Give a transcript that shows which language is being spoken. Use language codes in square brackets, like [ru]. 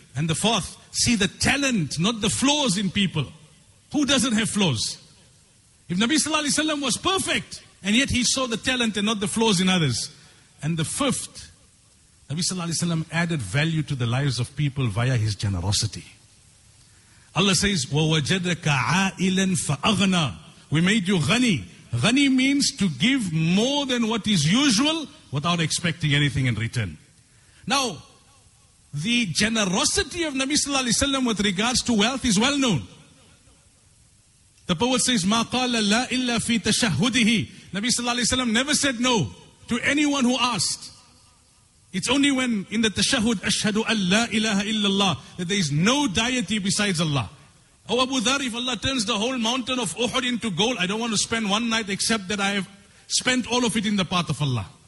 [en] And the fourth, see the talent, not the flaws in people. Who doesn't have flaws? If Nabi Sallallahu Alaihi Wasallam was perfect, and yet he saw the talent and not the flaws in others. And the fifth, Nabi Sallallahu Alaihi Wasallam added value to the lives of people via his generosity. Allah says, [ar] وَوَجَدَكَ عَائِلًا فَأَغْنَى. [en] We made you ghani. Ghani means to give more than what is usual without expecting anything in return. Now, the generosity of Nabi Sallallahu Alaihi Wasallam with regards to wealth is well known. The poet says, [ar] مَا قَالَ لَا إِلَّا فِي تَشَهُدِهِ. [en] Nabi Sallallahu Alaihi Wasallam never said no to anyone who asked. It's only when in the tashahud, [ar] أَشْهَدُ أَنْ لَا إِلَهَ إِلَّا اللَّهِ, [en] that there is no deity besides Allah. Oh Abu Dhar, if Allah turns the whole mountain of Uhud into gold, I don't want to spend one night except that I have spent all of it in the path of Allah.